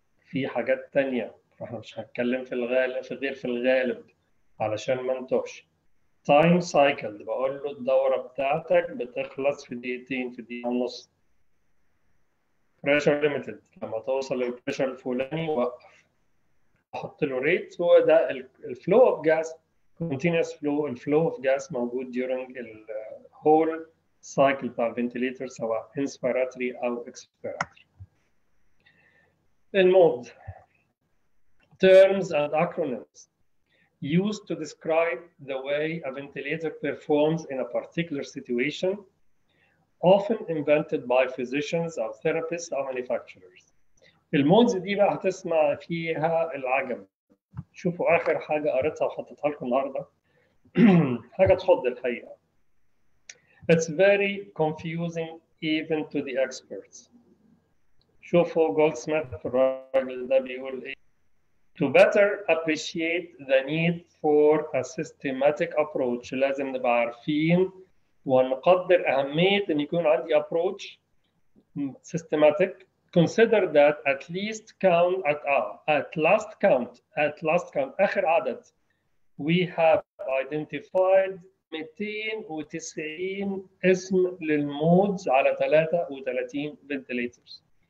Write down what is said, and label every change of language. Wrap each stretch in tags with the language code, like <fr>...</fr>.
<ar>في حاجات تانية احنا مش هنتكلم في الغالب، في غير في الغالب علشان ما نتوهش. تايم سايكلد بقول له الدوره بتاعتك بتخلص في دقيقتين، في دقيقه ونص. pressure limited لما توصل للpressure الفلاني وقف، احط له rate. هو ده الflow of gas continuous flow. الflow of gas موجود</ar> <en>during the whole cycle</en> <ar>بتاع الventilator سواء inspiratory او expiratory.</ar> <en>Terms and acronyms used to describe the way a ventilator performs in a particular situation often invented by physicians or therapists or manufacturers.</en> <ar>المودز دي بقى هتسمع فيها العجب. شوفوا آخر حاجة قريتها وحطتها لكم النهاردة. حاجة تخض الحقيقة.</ar> <en>It's very confusing even to the experts.</en> <ar>شوفوا جولدسميث الراجل ده بيقول إيه.</ar> <en>To better appreciate the need for a systematic approach.</en> <ar>لازم نبقى عارفين ونقدر أهمية أن يكون عندي approach systematic.</ar> <en>Consider that at least count at last count</en> <ar>آخر عدد</ar> <en>we have identified 290</en> <ar>اسم للمودز على</ar> <en>33 ventilators.</en>